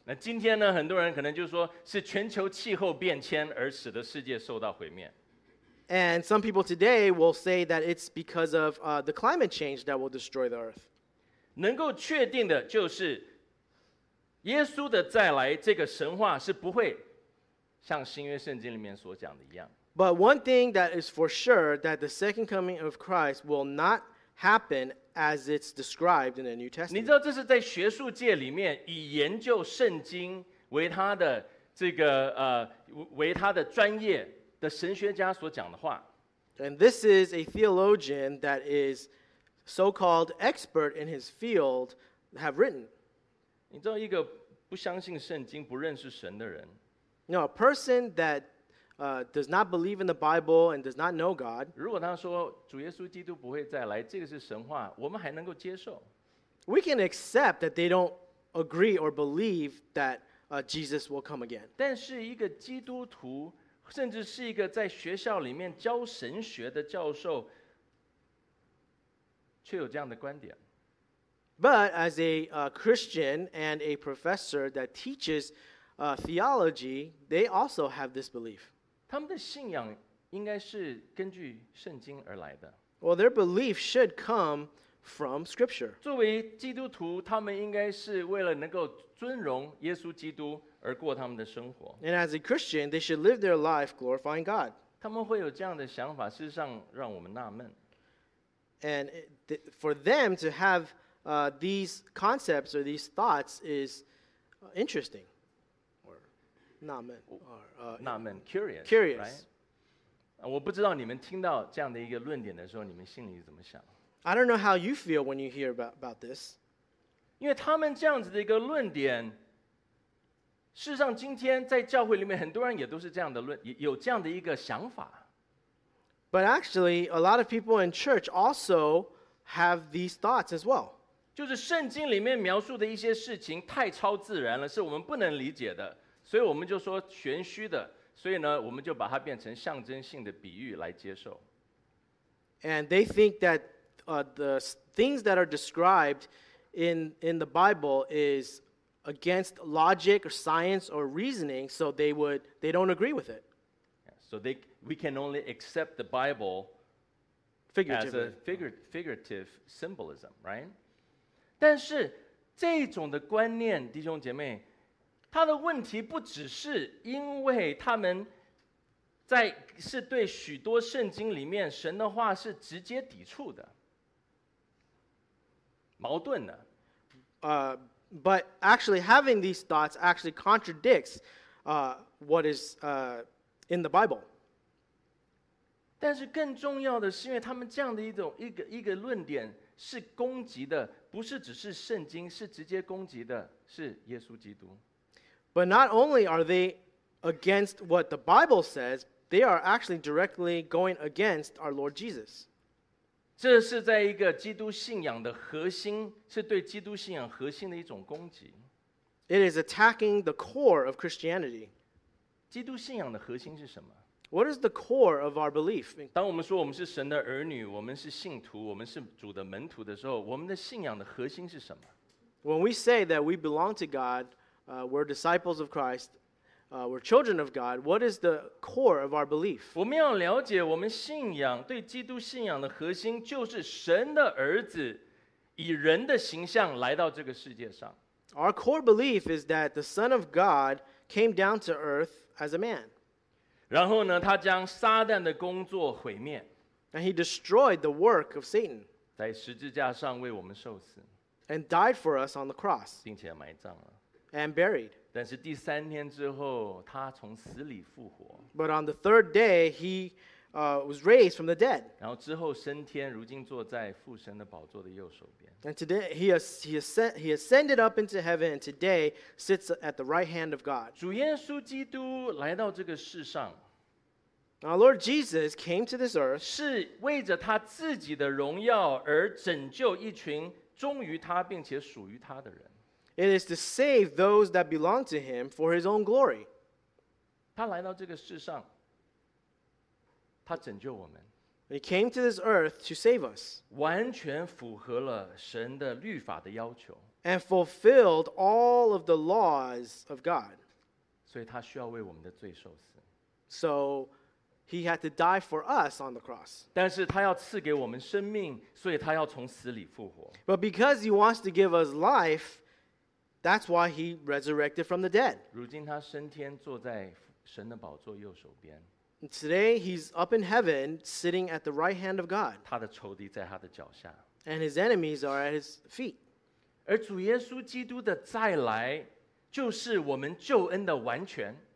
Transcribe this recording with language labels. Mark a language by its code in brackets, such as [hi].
[zh] 那今天呢，很多人可能就说是全球气候变迁而使得世界受到毁灭。 [en] And some people today will say that it's because of the climate change that will destroy the earth. [zh] 能够确定的就是耶稣的再来这个神话是不会像新约圣经里面所讲的一样。 [en] But one thing that is for sure that the second coming of Christ will not happen as it's described in the New Testament. [zh] 你知道这是在学术界里面以研究圣经为他的这个为他的专业的神学家所讲的话。 [en] And this is a theologian that is so-called expert in his field have written. [zh] 你知道一个不相信圣经不认识神的人。 [en] No, a person that does not believe in the Bible and does not know God. [zh] 如果他说主耶稣基督不会再来，这个是神话，我们还能够接受。 [en] We can accept that they don't agree or believe that Jesus will come again. [zh] 但是一个基督徒，甚至是一个在学校里面教神学的教授，却有这样的观点。 [en] But as a Christian and a professor that teaches theology, they also have this belief. [zh] 他们的信仰应该是根据圣经而来的。 [en] Well, their belief should come from Scripture. [zh] 作为基督徒，他们应该是为了能够尊荣耶稣基督而过他们的生活。 [en] And as a Christian, they should live their life glorifying God. [zh] 他们会有这样的想法，事实上让我们纳闷。 [en] And for them to have these concepts or these thoughts is interesting. Or not curious. Curious. Right? [zh] 我不知道你们听到这样的一个论点的时候，你们心里怎么想。 [en] I don't know how you feel when you hear about this. [zh] 因为他们这样子的一个论点，事实上今天在教会里面很多人也都是这样的论，有这样的一个想法。 [en] But actually, a lot of people in church also have these thoughts as well. [zh] 就是圣经里面描述的一些事情太超自然了，是我们不能理解的，所以我们就说玄虚的，所以呢，我们就把它变成象征性的比喻来接受。 [en] And they think that the things that are described in the Bible is against logic or science or reasoning, so they don't agree with it. So we can only accept the Bible as a figurative symbolism, right? [zh] 但是这种的观念，弟兄姐妹，它的问题不只是因为他们在是对许多圣经里面神的话是直接抵触的，矛盾的。 [en] But actually having these thoughts actually contradicts what is in the Bible. [zh] 但是更重要的是因为他们这样的一个论点是攻击的，不是只是圣经，是直接攻击的是耶稣基督。 [en] But not only are they against what the Bible says, they are actually directly going against our Lord Jesus. [zh] 这是在一个基督信仰的核心，是对基督信仰核心的一种攻击。 [en] It is attacking the core of Christianity. [zh] 基督信仰的核心是什么？ [en] What is the core of our belief? [zh] 当我们说我们是神的儿女，我们是信徒，我们是主的门徒的时候，我们的信仰的核心是什么？ [en] When we say that we belong to God, we're disciples of Christ, we're children of God, what is the core of our belief? [zh] 我们要了解我们信仰，对基督信仰的核心就是神的儿子以人的形象来到这个世界上。 [en] Our core belief is that the Son of God came down to earth as a man. [zh] 然后呢，他将撒旦的工作毁灭。 [en] And he destroyed the work of Satan. [zh] 在十字架上为我们受死。 [en] And died for us on the cross. [zh] 并且埋葬了。 [en] And buried. [zh] 但是第三天之后，他从死里复活。 [en] But on the third day, he was raised from the dead. [zh] 然后之后升天，如今坐在父神的宝座的右手边。 [en] And today he ascended up into heaven, and today sits at the right hand of God. [zh] 主耶稣基督来到这个世上。 [en] Our Lord Jesus came to this earth [zh] 是为着他自己的荣耀而拯救一群忠于他并且属于他的人。 [en] It is to save those that belong to him for his own glory. [zh] 他来到这个世上。他拯救我们。 [en] He came to this earth to save us. [zh] 完全符合了神的律法的要求。 [en] And fulfilled all of the laws of God. [zh] 所以他需要为我们的罪受死。 [en] So he had to die for us on the cross. [zh] 但是他要赐给我们生命，所以他要从死里复活。 [en] But because he wants to give us life, that's why he resurrected from the dead. [zh] 如今他升天坐在神的宝座右手边。 [en] Today, he's up in heaven, sitting at the right hand of God. [zh] 他的仇敌在他的脚下。 [en] And his enemies are at his feet. [zh] 而主耶稣基督的再来，就是我们救恩的完全。